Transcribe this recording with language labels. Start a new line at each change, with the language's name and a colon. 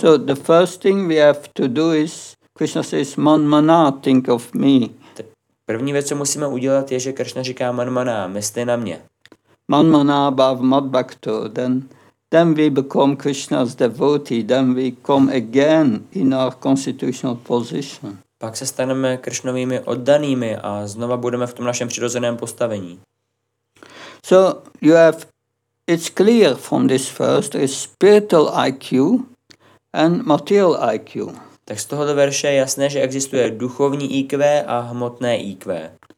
English: So the first thing we have to do is Krishna says manmana, think of me.
Czech: První věc, co musíme udělat, je, že Krishna říká manmana, myslí na mě.
Sanskrit: Manmana bhav mad bhakto,
English: then we become Krishna's devotee, then we come again in our constitutional position.
Czech: Pak se staneme Krishnovými oddanými a znova budeme v tom našem přirozeném postavení.
English: So you have, it's clear from this first, is spiritual IQ and material IQ.
Czech: Tak z tohoto verše je jasné, že existuje duchovní IQ a hmotné IQ.